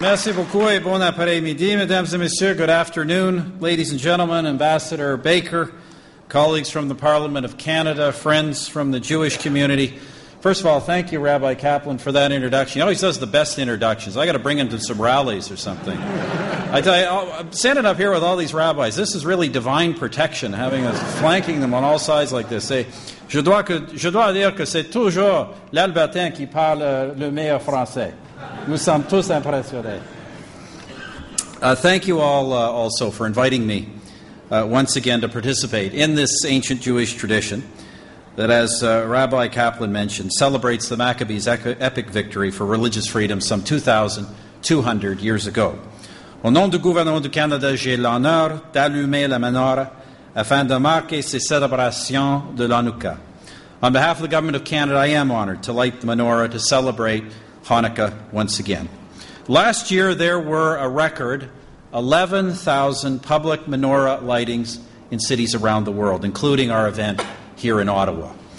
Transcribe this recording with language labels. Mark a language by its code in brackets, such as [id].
[fr] Merci beaucoup et bon après-midi, mesdames et messieurs. [en] Good afternoon, ladies and gentlemen, Ambassador Baker, colleagues from the Parliament of Canada, friends from the Jewish community. First of all, thank you, Rabbi Kaplan, for that introduction. He always does the best introductions. I got to bring him to some rallies or something. I tell you, I'm standing up here with all these rabbis. This is really divine protection, having us flanking them on all sides like this. [fr] Je dois dire que c'est toujours l'Albertain qui parle le meilleur français. Nous sommes tous impressionnés. [en] Thank you all also for inviting me once again to participate in this ancient Jewish tradition that, as Rabbi Kaplan mentioned, celebrates the Maccabees' epic victory for religious freedom some 2,200 years ago. [fr] Au nom du gouvernement du Canada, j'ai l'honneur d'allumer la menorah afin de marquer ces célébrations de l'Hanouka. [en] On behalf of the government of Canada, I am honored to light the menorah to celebrate Hanukkah once again. Last year, there were a record 11,000 public menorah lightings in cities around the world, including our event here in Ottawa.